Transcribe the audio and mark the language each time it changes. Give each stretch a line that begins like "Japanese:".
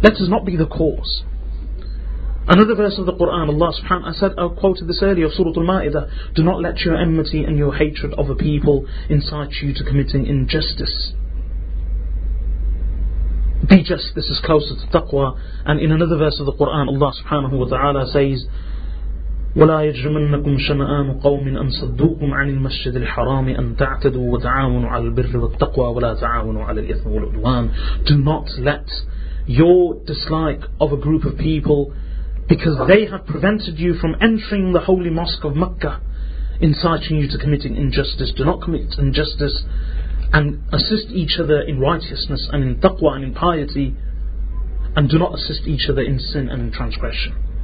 English: Let us not be the cause. Another verse of the Quran, Allah subhanahu wa ta'ala, I quoted this earlier, of Surah Al-Ma'idah, do not let your enmity and your hatred of a people incite you to committing injustice. Be just, this is closer to taqwa. And in another verse of the Quran, Allah subhanahu wa ta'ala says,
Arabic: وَلَا يَجْرِمَنَّكُمْ شَنَآنُ قَوْمٍ أَنْ صَدُّوكُمْ عَنِ الْمَسْجِدِ الْحَرَامِ أَنْ تَعْتَدُوا وَتَعَاوَنُوا عَلَى الْبِرِّ وَالتَّقْوَى وَلَا تَعَاوَنُوا عَلَى الْإِثْمِ وَالْعُدْوَانِ.
English: Do not let your dislike of a group of people because they have prevented you from entering the holy mosque of Mecca inciting you to committing injustice. Do not commit injustice and assist each other in righteousness and in taqwa and in piety, and do not assist each other in sin and in transgression.